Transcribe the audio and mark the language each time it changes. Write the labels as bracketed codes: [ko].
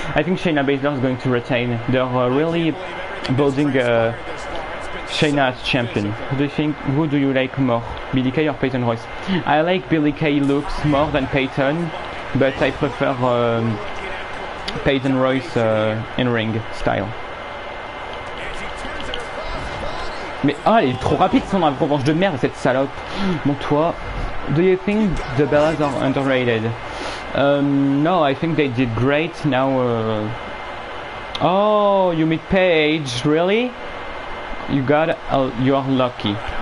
[en] I think Shayna Baszler is going to retain. They're really building Shayna as champion. Who do you like more? Billy Kay or Peyton Royce? I like Billy Kay looks more than Peyton, but I prefer Peyton Royce in-ring style. [fr] Mais ah, elle est trop rapide son revanche de merde cette salope. Bon toi, [en] do you think the Bellas are underrated? No, I think they did great. Now, oh, you meet Paige, really? You are lucky.